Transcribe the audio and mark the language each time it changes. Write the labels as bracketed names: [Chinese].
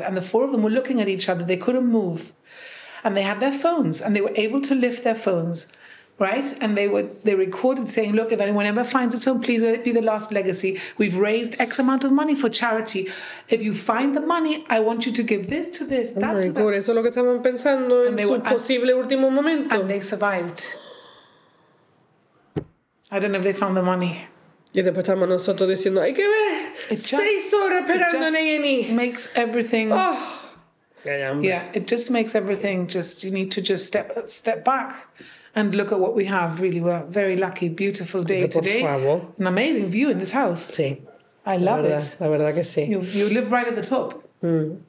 [English] And the four of them were looking at each other. They couldn't move. And they had their phones, and they were able to lift their phones, right? And they recorded saying, look, if anyone ever finds this phone, please let it be the last legacy. We've raised X amount of money for charity. If you find the money, I want you to give this to this, that to that. Oh my God, [Spanish] eso es lo que estaban pensando en su posible último momento. [English] And they survived. I don't know if they found the money. [Spanish] Y después estamos nosotros diciendo, hay que ver, seis horas esperando en A&E. [English] It just makes everything... Oh. Yeah, it just makes everything just, you need to just step back and look at what we have. Really, we're very lucky, beautiful day today. An amazing view in this house. [Spanish] Sí. [English] I love [Spanish] la verdad, [English] it. [Spanish] La verdad que sí. [English] You live right at the top. Mm.